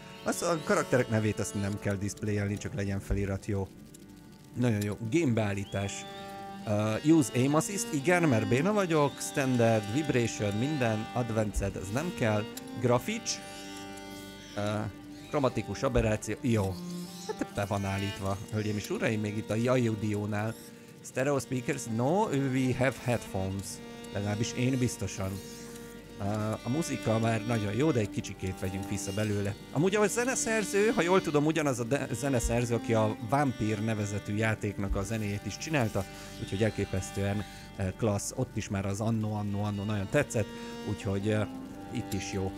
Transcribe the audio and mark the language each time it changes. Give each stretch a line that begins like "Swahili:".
Hungarian: Azt a karakterek nevét azt nem kell displayelni, csak legyen felirat, jó. Nagyon jó. Game beállítás.
English: Use aim assist,
Hungarian: igen, mert béna vagyok. Standard, vibration, minden. Advanced, ez nem kell. Grafics. Kromatikus aberráció, jó. Hát be van állítva, hölgyeim és uraim, még itt a Jajudionál.
English: Stereo speakers, no, we have headphones.
Hungarian: Legalábbis én biztosan. A muzika már nagyon jó, de egy kicsikét vegyünk vissza belőle. Amúgy a zeneszerző, ha jól tudom, ugyanaz a zeneszerző, aki a Vampír nevezetű játéknak a zenéjét is csinálta, úgyhogy elképesztően klassz, ott is már az anno nagyon tetszett, úgyhogy itt is jó.